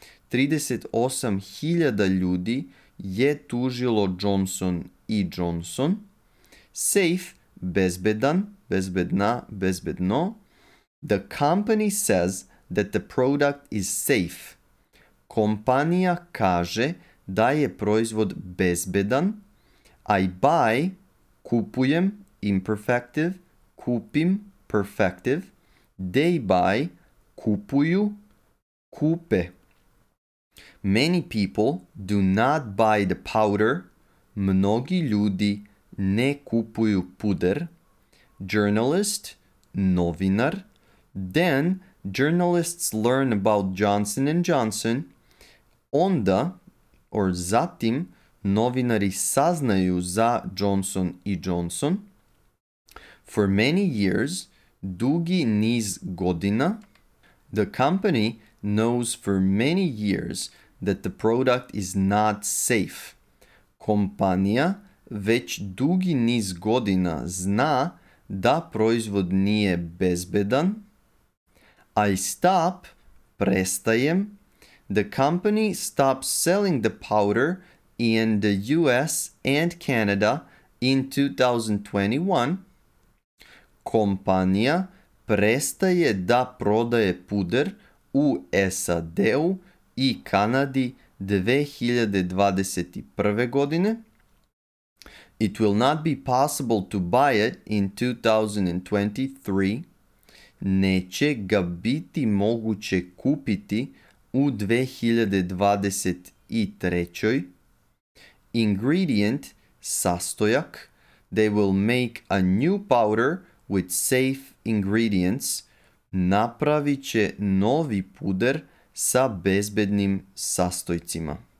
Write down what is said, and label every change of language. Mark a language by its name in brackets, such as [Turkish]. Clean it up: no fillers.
[Serbian] 38,000 ljudi je tužilo Johnson & Johnson. [English] Safe, [Serbian] bezbedan, bezbedna, bezbedno. [English] The company says that the product is safe. [Serbian] Kompanija kaže da je proizvod bezbedan. [English] I buy, [Serbian] kupujem, [English] imperfective, [Serbian] kupim, [English] perfective. They buy, [Serbian] kupuju, kupe. [English] Many people do not buy the powder. [Serbian] Mnogi ljudi ne kupuju puder. [English] Journalist, [Serbian] novinar. [English] Then, journalists learn about Johnson & Johnson. [Serbian] Onda, [English] or [Serbian] zatim, novinari saznaju za Johnson & Johnson. [English] For many years, [Serbian] dugi niz godina, [English] the company knows for many years that the product is not safe. [Serbian] Kompanija već dugi niz godina zna da proizvod nije bezbedan. [English] I stop, [Serbian] prestajem. [English] The company stops selling the powder in the US and Canada in 2021. [Serbian] Kompanija prestaje da prodaje puder u SAD-u I Kanadi 2021. godine. [English] It will not be possible to buy it in 2023. [Serbian] Neće ga biti moguće kupiti u 2023. [English] Ingredient, [Serbian] sastojak. [English] They will make a new powder with safe ingredients. [Serbian] Napravit će novi puder sa bezbednim sastojcima.